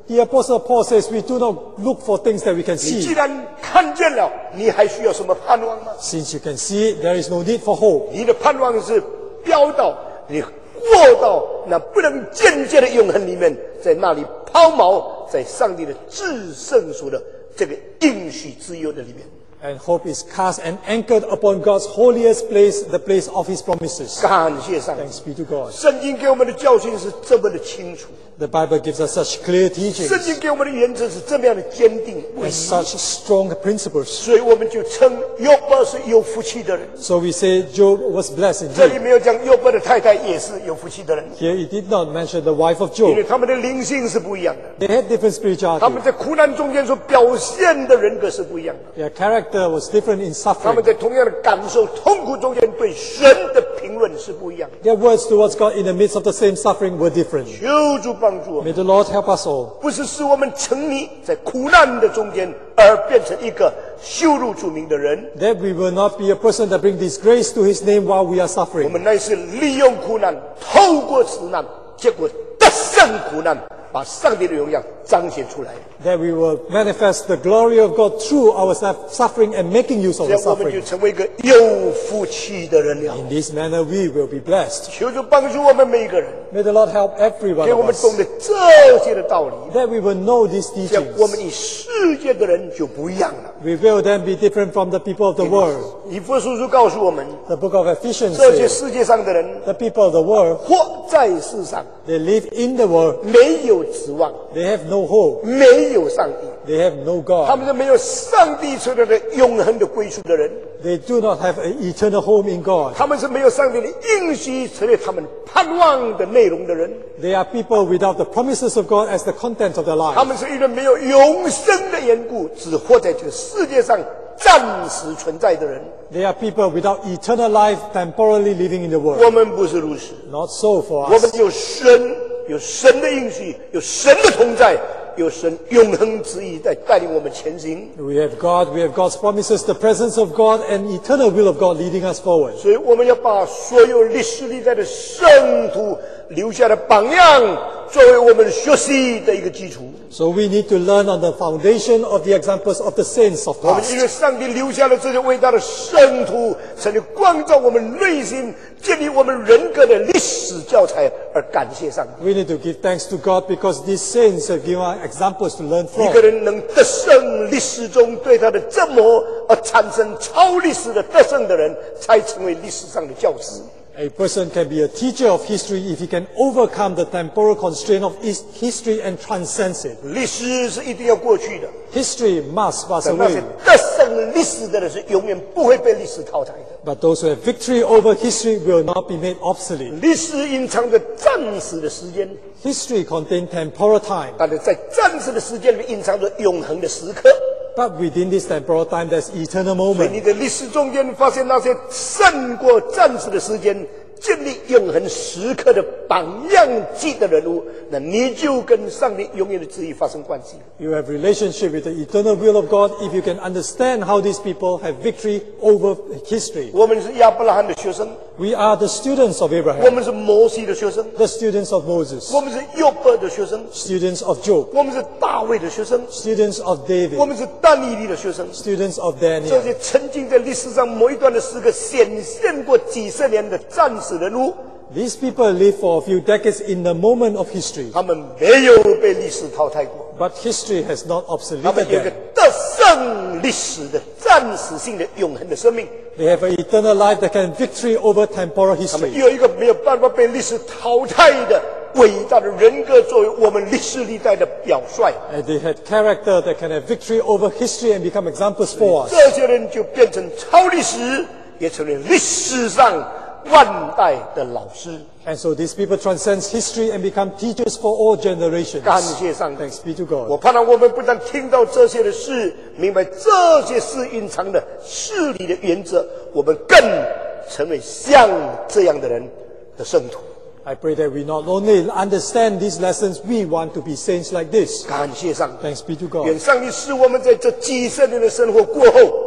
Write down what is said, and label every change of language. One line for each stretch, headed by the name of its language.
English: The apostle Paul says we do not look for things that we can see.
Chinese: 你既然看见了，你还需要什么盼望吗？
English: Since you can see, there is no need for hope.
Chinese: 你的盼望是飙到你。过到那不能见界的永恒里面，在那里抛锚，在上帝的至圣所的这个应许之约的里面。
English: And hope is cast and anchored upon God's holiest place, the place of His promises.
Chinese: 感谢上帝。
English: Thanks be to God.
Chinese: 圣经给我们的教训是这么的清楚。
English: The Bible gives us such clear teachings.
Chinese: 圣经给我们的原则是这么样的坚定。
English: With such strong principles.
Chinese: 所以我们就称约伯是有福气的人。
English: So we say Job was blessed indeed.
Chinese: 这里没有讲约伯的太太也是有福气的人。
English: Here he did not mention the wife of Job.
Chinese: 因为他们的灵性是不一样的。
English: They had different spirituality.
Chinese: 他们在苦难中间所表现的人格是不一样的。
English: Their character was different in suffering.
Chinese: 他们在同样的感受痛苦中间对神的评论是不一样的。
English: Their words towards God in the midst of the same suffering were different.
Chinese: 求主帮。
English: May the Lord help us all.
Chinese: 不是使我们沉迷在苦难的中间而变成一个羞辱主名的人。
English: That we will not be a person that brings disgrace to His name while we are suffering.
Chinese: 我们乃是利用苦难，透过苦难，结果得胜苦难，把上帝的荣耀彰显出来。
English: That we will manifest the glory of God through our suffering and making use of the suffering.
Chinese: 这样我们就成为一个有福气的人了。
English: In this manner, we will be blessed.
Chinese: 求主帮助我们每一个人。
English: May the Lord help everyone.
Chinese: 给我们懂得这些的道理。
English: That we will know these teachings.
Chinese: 这样我们与世界的人就不一样了。
English: We will then be different from the people of the world.
Chinese: 以弗所书告诉我们。
English: The book of Ephesians.
Chinese: 这些世界上的人。
English: The people of the world.
Chinese: 或在世上
English: they live in the world
Chinese: 没有指望
English: they have no hope
Chinese: 没有上帝
English: they have no God
Chinese: 他们是没有上帝所有的永恒的归宿的人
English: they do not have an eternal home in God
Chinese: 他们是没有上帝的应许成为他们盼望的内容的人
English: they are people without the promises of God as the content of their life
Chinese: 他们是因为没有永生的缘故只活在这个世界上暂时存在的人
English: They are people without eternal life temporarily living in the world
Chinese: 我们不是如此
English: Not so for us
Chinese: 我们有神有神的应许有神的同在有神永恒旨意在带领我们前行
English: We have God We have God's promises The presence of God And eternal will of God Leading us forward
Chinese: 所以我们要把所有历史历代的圣徒留下的榜样作为我们学习的一个基础
English: So we need to learn on the foundation of the examples of the saints of past
Chinese: 我们因为上帝留下了这些伟大的圣徒神就光照我们内心建立我们人格的历史教材而感谢上帝
English: We need to give thanks to God because these saints have given us examples to learn from
Chinese: 一个人能得胜历史中对他的折磨而产生超历史的得胜的人才成为历史上的教师
English: A person can be a teacher of history if he can overcome the temporal constraint of history and transcend it.
Chinese: 历史是一定要过去的。
English: History must pass away.
Chinese: 但那些得胜历史的人是永远不会被历史淘汰的。
English: But those who have victory over history will not be made obsolete.
Chinese: 历史隐藏着暂时的时间。
English: History contains temporal time.
Chinese: 但是在暂时的时间里面隐藏着永恒的时刻。
English: But within this temporal time, there's eternal moment.
Chinese: 所以你的历史中间发现那些胜过暂时的时间，建立永恒时刻的榜样记的人物，那你就跟上帝永远的旨意发生关系。
English: You have relationship with the eternal will of God if you can understand how these people have victory over history.
Chinese: 我们是亚伯拉罕的学生。
English: We are the students of Abraham.
Chinese: 我们是摩西的学生。
English: The students of Moses.
Chinese: 我们是约伯的学生。
English: Students of Job.
Chinese: 我们是大卫的学生。
English: Students of David.
Chinese: 我们是但以理的学生。
English: Students of Daniel.
Chinese: 这些曾经在历史上某一段的时刻显现过几十年的战士人物。
English: These people live for a few decades in the moment of history.
Chinese: 他们没有被历史淘汰过。
English: But history has not obsoleted them.
Chinese: 他们有一个得胜历史的暂时性的永恒的生命。
English: They have an eternal life that can victory over temporal history.
Chinese: 他们有一个没有办法被历史淘汰的伟大的人格作为我们历史历代的表率。
English: And they had character that can have victory over history and become examples for us.
Chinese: 这些人就变成超历史，也成为历史上万代的老师。
English: And so these people transcend history and become teachers for all generations.
Chinese: 感谢上帝。
English: Thanks be to God.
Chinese: 我盼望我们不但听到这些的事，明白这些事隐藏的事理的原则，我们更成为像这样的人的圣徒。
English: I pray that we not only understand these lessons, we want to be saints like this.
Chinese: 感谢上帝。
English: Thanks be to God.
Chinese: 愿上帝使我们在这几十年的生活过后。